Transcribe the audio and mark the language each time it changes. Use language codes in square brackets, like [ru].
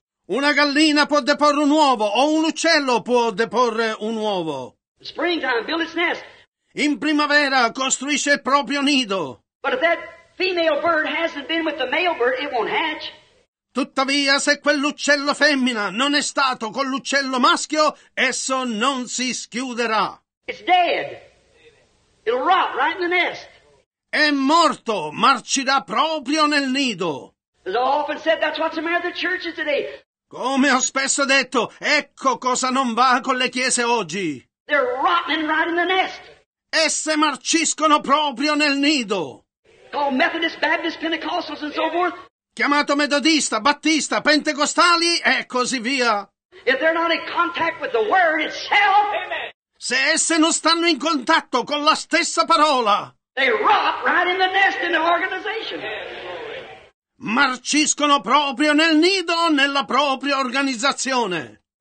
[it] Una gallina può deporre un uovo, o un uccello può deporre un uovo. [en] Springtime, build its nest. [it] In primavera costruisce il proprio nido. [en] But if that female bird hasn't been with the male bird, it won't hatch. [it] Tuttavia, se quell'uccello femmina non è stato con l'uccello maschio, esso non si schiuderà. [en] It's dead. It'll rot right in the nest. [it] È morto, marcirà proprio nel nido. [en] As I often said, that's what's the matter with the churches today. [it] Come ho spesso detto, ecco cosa non va con le chiese oggi. [en] They're rotting right in the nest. [it] Esse marciscono proprio nel nido. [en] Called Methodist, Baptist, Pentecostals and so forth. [it] Chiamato metodista, battista, pentecostali e così via. [en] If they're not in contact with the word itself, [it] se esse non stanno in contatto con la stessa parola, [en] they rot right in the nest in the organization. [it] Marciscono proprio nel nido nella propria organizzazione.